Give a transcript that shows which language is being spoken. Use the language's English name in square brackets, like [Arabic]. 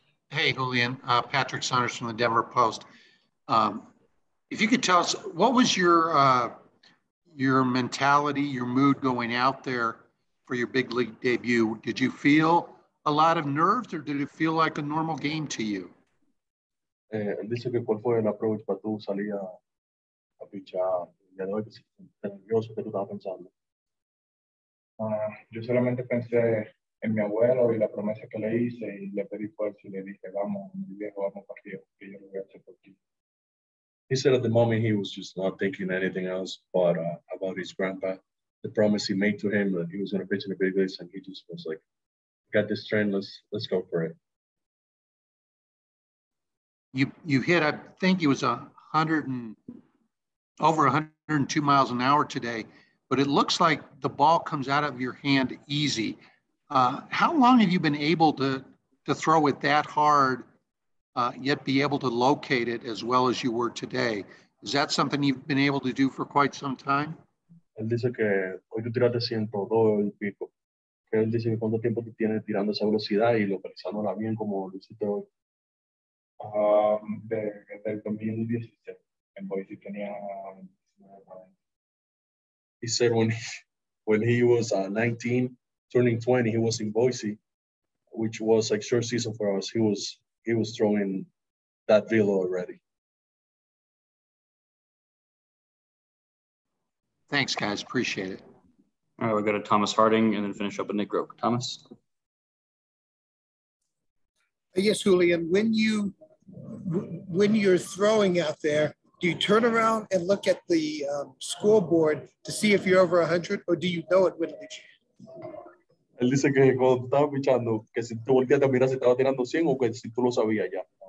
[English] Hey, Julian. Patrick Saunders from the Denver Post. If you could tell us, what was your mentality, your mood going out there for your big league debut? Did you feel a lot of nerves, or did it feel like a normal game to you? [Spanish] Dice que cuál fue el approach para tú salir a pichar. Ya no es nervioso que tú estabas pensando. Yo solamente pensé en mi abuelo y la promesa que le hice y le pedí fuerza y le dije, vamos, mi viejo, vamos para arriba, que yo lo voy a hacer por ti. [English] He said at the moment he was just not thinking anything else but about his grandpa, the promise he made to him that he was going to pitch in the big leagues, and he just was like, got this train, let's go for it. You hit, I think it was over 102 miles an hour today, but it looks like the ball comes out of your hand easy. How long have you been able to throw it that hard, yet be able to locate it as well as you were today? Is that something you've been able to do for quite some time? [Spanish] Él dice que hoy tú tiraste 102 y pico. Él dice que cuánto tiempo tú tienes tirando esa velocidad y localizándola bien como lo hiciste hoy. Desde el 2016, en Boise tenía 29. [English] He said when he was 19, turning 20, he was in Boise, which was like short season for us. He was throwing that velo already. Thanks, guys. Appreciate it. All right, we'll go to Thomas Harding and then finish up with Nick Roque. Thomas? Yes, Julian. When you're throwing out there, do you turn around and look at the scoreboard to see if you're over 100, or do you know it when it's you? [Spanish] Él dice que cuando tú estabas pichando, que si tú volteas a mirar si estaba tirando 100 o que si tú lo sabías ya.